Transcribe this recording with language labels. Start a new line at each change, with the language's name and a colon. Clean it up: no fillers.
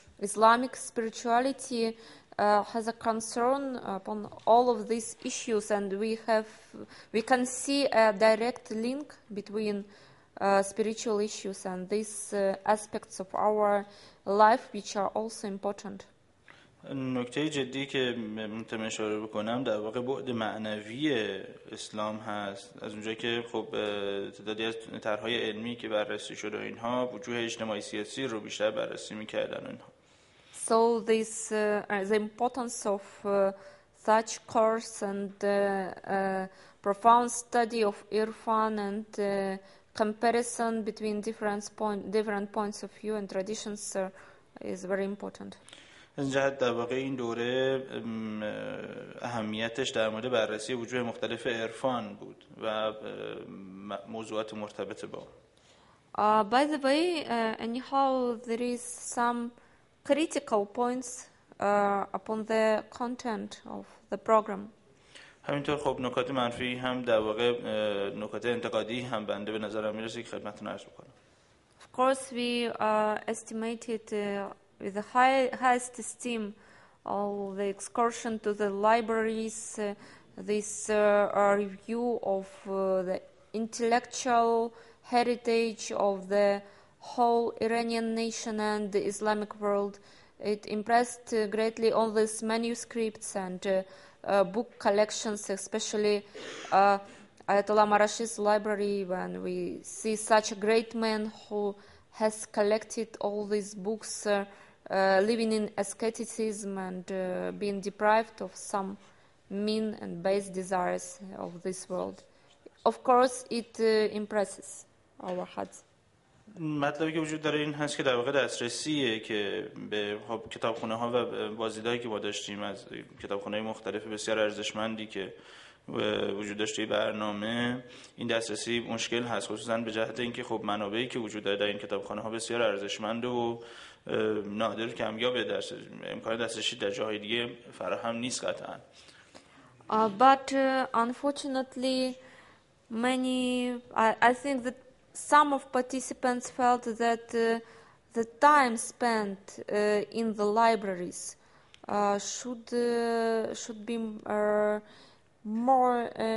English: Islamic spirituality has a concern upon all of these issues, and we can see a direct link between spiritual issues and these aspects of our life, which are also important.
Persian: نکته جدی که میتونم اشاره بکنم در واقع بعد معنوی اسلام هست، از اونجایی که خب تعدادی از طرح‌های علمی که بررسی شده اینها وجوه اجتماعی سیاسی رو بیشتر بررسی می‌کردن اینها.
English: So this the importance of such course and profound study of Irfan and comparison between different points of view and traditions is very important.
Persian: از جهت در واقع این دوره اهمیتش در مورد بررسی وجوه مختلف عرفان بود و موضوعات مرتبط با
English: By the way, anyhow, there is some critical points upon the content of the program.
Persian: همینطور خب نکات منفی هم در واقع نکات انتقادی هم بنده به نظرم میرسه که خدمتتون عرض بکنم.
English: Of course, we estimated with a highest esteem all the excursion to the libraries, this review of the intellectual heritage of the whole Iranian nation and the Islamic world. It impressed greatly all these manuscripts and book collections, especially Ayatollah Marashi's library, when we see such a great man who has collected all these books living in asceticism and being deprived of some mean and base desires of this world. Of course, it impresses our hearts.
Persian: مطلبی که وجود داره این هست که در واقع دسترسیه که به کتابخونه ها و بازدیدهایی که ما داشتیم از کتابخونه مختلف بسیار ارزشمندی که وجود داشته برنامه، این دسترسی مشکل هست، خصوصا به جهت اینکه خب منابعی که وجود داره در این کتابخونه ها بسیار ارزشمند و نادر کمیاب درس امکان دسترسی در جاهای دیگه فراهم نیست قطعا.
English: But unfortunately many I think that some of participants felt that the time spent in the libraries should be more